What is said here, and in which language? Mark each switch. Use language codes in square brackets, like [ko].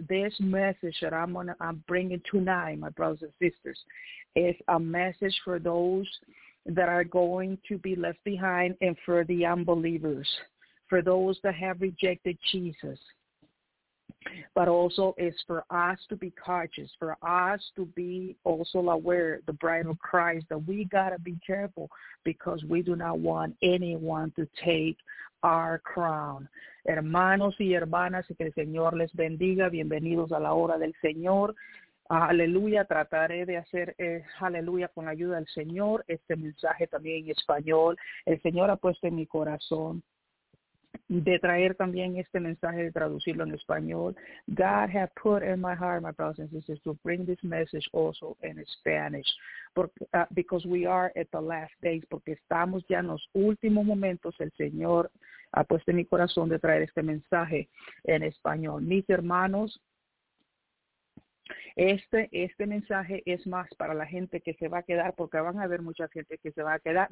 [en] This message that I'm bringing tonight, my brothers and sisters, is a message for those that are going to be left behind and for the unbelievers, for those that have rejected Jesus. But also it's for us to be conscious, for us to be also aware, the bride of Christ, that we got to be careful because we do not want anyone to take our crown. [es] Hermanos y hermanas, que el Señor les bendiga. Bienvenidos a la hora del Señor. Aleluya. Trataré de hacer, aleluya, con la ayuda del Señor, este mensaje también en español. El Señor ha puesto en mi corazón de traer también este mensaje, de traducirlo en español. [en] God has put in my heart, my brothers and sisters, to bring this message also in Spanish. Because we are at the last days, [es] porque estamos ya en los últimos momentos. El Señor ha puesto en mi corazón de traer este mensaje en español. Mis hermanos, este mensaje es más para la gente que se va a quedar, porque van a haber mucha gente que se va a quedar.